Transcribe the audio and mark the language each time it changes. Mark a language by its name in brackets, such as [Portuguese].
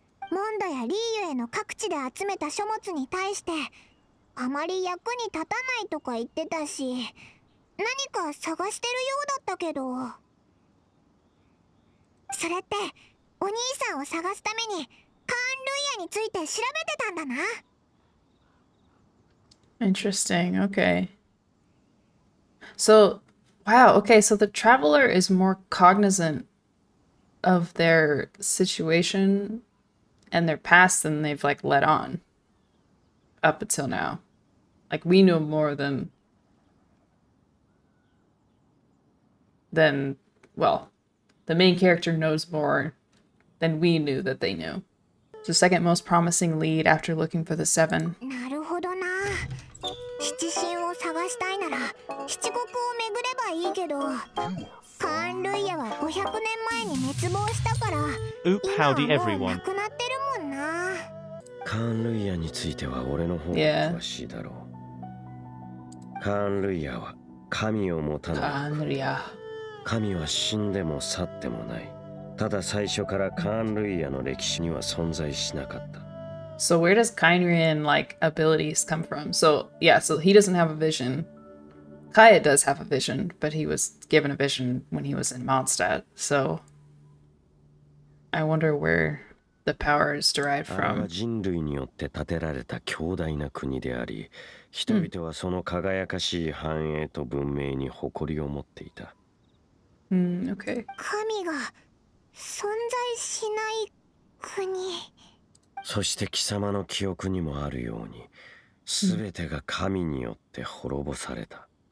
[Japanese] モンドやリーユへの各地で集めた書物に対してあまり役に立たないとか言ってたし、何か探してるようだったけど、それってお兄さんを探すためにカーンルイヤについて調べてたんだな。 [English] Interesting, okay. So, wow, okay, so the traveler is more cognizant of their situation and their past than they've like let on up until now. Like, we know more than, well, the main character knows more than we knew that they knew. The second most promising lead after looking for the seven. [Japanese] なるほどな。七神を探したいなら七国を巡ればいいけど、カーンルイヤは500年前に滅亡したから、 Oop, 今はもう [English] everyone. [Japanese] なくなってるもんな。カーンルイヤについては俺の方が詳しいだろう。カーンルイヤは神を持たない。カーンルイヤ、神は死んでも去ってもない。ただ最初からカーンルイヤの歴史には存在しなかった。 [English] So where does Kainrian like abilities come from? So yeah, so he doesn't have a vision. Kaya does have a vision, but he was given a vision when he was in Mondstadt. So I wonder where the power is derived from. [Japanese] あれは人類によって建てられた強大な国であり、人々はその輝かしい繁栄と文明に誇りを持っていた。 [English] Okay. [Japanese] 神が存在しない国。そして貴様の記憶にもあるように、全てが神によって滅ぼされた。